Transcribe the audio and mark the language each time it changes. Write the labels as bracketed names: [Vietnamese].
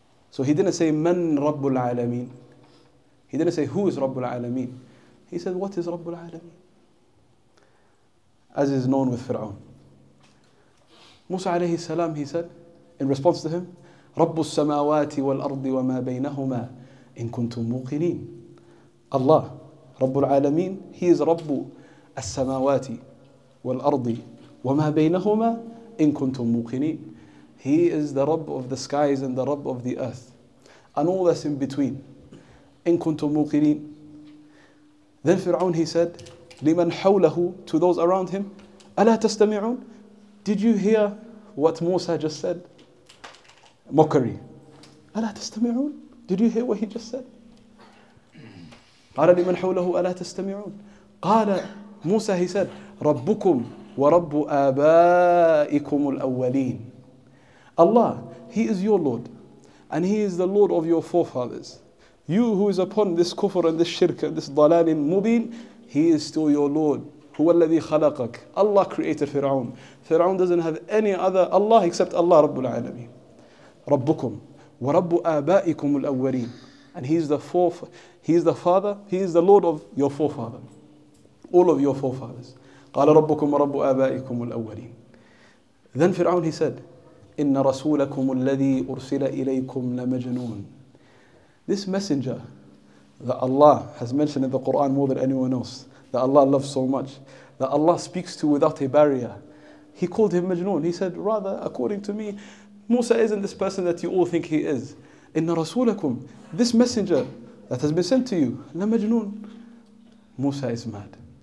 [English] So he didn't say man [Arabic] رب العالمين. [English] He didn't say who is رب العالمين. He said what is [Arabic] رب العالمين, [English] as is known with Fir'aun. Musa alayhi salam, he said in response to him, [Arabic] رب السماوات والأرض وما بينهما إن كنتم موقنين. Allah, رب العالمين, [English] he is [Arabic] رب السماوات والأرض وما بينهما إن كنتم موقنين. [English] He is the رب of the skies and the رب of the earth and all that's in between. [Arabic] إن كنتم موقنين. [English] Then Fir'aun, he said [Arabic] لمن حوله, [English] to those around him, [Arabic] ألا تستمعون. [English] Did you hear what Musa just said? Mockery. [Arabic] أَلَا تَسْتَمِعُونَ? [English] Did you hear what he just said? [Arabic] قَالَ لِمَنْ حَوْلَهُ أَلَا تَسْتَمِعُونَ? قَالَ Musa, [English] he said, [Arabic] رَبُّكُمْ وَرَبُّ آبَائِكُمُ الْأَوَّلِينَ. [English] Allah, he is your Lord. And he is the Lord of your forefathers. You who is upon this kufr and this shirk and this dalal mubin, he is still your Lord. [Arabic] هو الذي خلقك. [English] Allah created Fir'aun. Fir'aun doesn't have any other Allah except Allah [Arabic] رب العالمين. ربكم ورب آبائكم الأولين. [English] And he is the father, he is the Lord of your forefather, all of your forefathers. [Arabic] قال ربكم ورب آبائكم الأولين. [English] Then Fir'aun, he said, [Arabic] إن رسولكم الذي أرسل إليكم لمجنون. [English] This messenger that Allah has mentioned in the Quran more than anyone else, that Allah loves so much, that Allah speaks to without a barrier, he called him Majnoon. He said, rather, according to me, Musa isn't this person that you all think he is. [Arabic] Inna rasulakum, [English] this messenger that has been sent to you, la Majnoon. Musa is mad.